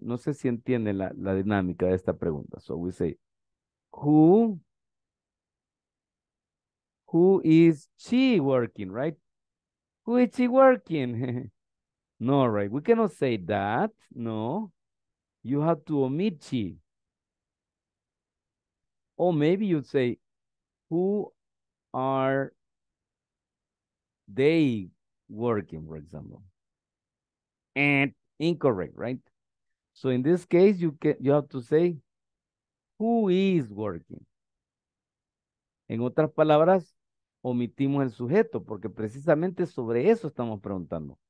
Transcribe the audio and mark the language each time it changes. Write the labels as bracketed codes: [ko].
[es] No sé si entiende la dinámica de esta pregunta. [en] So we say, who is she working, right? Who is she working? No, right? We cannot say that. No. You have to omit she. Or maybe you'd say, who are they working, for example? And incorrect, right? So in this case, you have to say, who is working? [es] En otras palabras, omitimos el sujeto, porque precisamente sobre eso estamos preguntando.